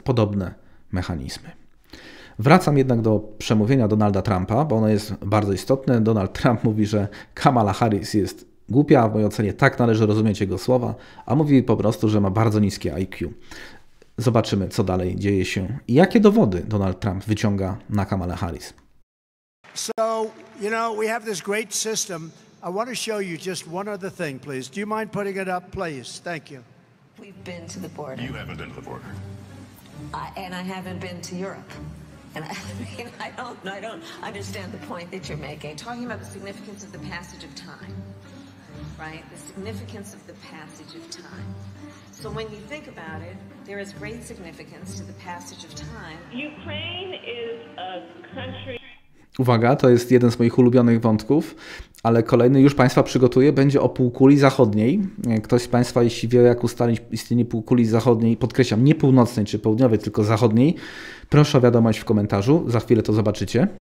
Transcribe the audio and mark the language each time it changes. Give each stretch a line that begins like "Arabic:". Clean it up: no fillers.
Polish: Podobne mechanizmy. Wracam jednak do przemówienia Donalda Trumpa, bo ono jest bardzo istotne. Donald Trump mówi, że Kamala Harris jest głupia, w mojej ocenie tak należy rozumieć jego słowa, a mówi po prostu, że ma bardzo niskie IQ. Zobaczymy, co dalej dzieje się i jakie dowody Donald Trump wyciąga na Kamala Harris.
English: So, you know, we have this great system. I want to show you just one other thing, please. Do you mind putting it up, please? Thank you. We've been to the border. You haven't been to the border. And I haven't been to Europe. And I don't understand the point that you're making. Talking about the significance of the passage of time, right? The significance of the passage of time. So when you think about it, there is great significance to the passage of time. Ukraine is a country.
Polish: Uwaga, to jest jeden z moich ulubionych wątków, ale kolejny już Państwa przygotuję, będzie o półkuli zachodniej. Ktoś z Państwa, jeśli wie, jak ustalić istnienie półkuli zachodniej, podkreślam, nie północnej czy południowej, tylko zachodniej, proszę o wiadomość w komentarzu, za chwilę to zobaczycie.